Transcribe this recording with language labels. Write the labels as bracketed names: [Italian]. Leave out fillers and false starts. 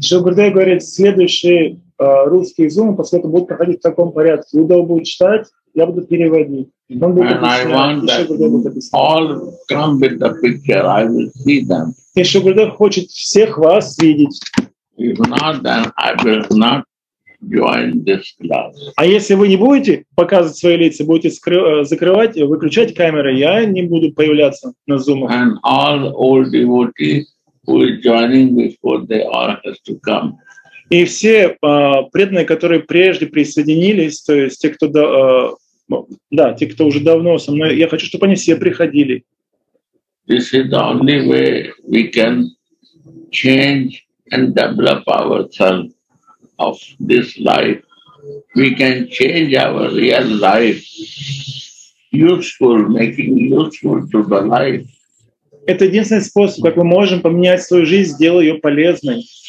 [Russian] Шри Гурудев говорит, следующий русский зум, после этого будет проходить в таком порядке. Удав будет читать, я буду переводить. [English] And I want that all come with the picture, I will see them. [Russian] И Шри Гурудев хочет всех вас видеть. [English] If not, then I will not join this class. [Russian] А если вы не будете показывать свои лица, будете закрывать, выключать камеры, я не буду появляться на Zoom. [English] And all old devotees who are joining before they all have to come. [Russian] И все преданные, которые прежде присоединились, то есть те, кто те, кто уже давно со мной, я хочу, чтобы они все приходили. [English] This is the only way we can change and develop ourselves. Of this life, we can change our real life, useful, making useful to the life. [Russian] Это единственный способ, как мы можем поменять свою жизнь, сделать ее полезной.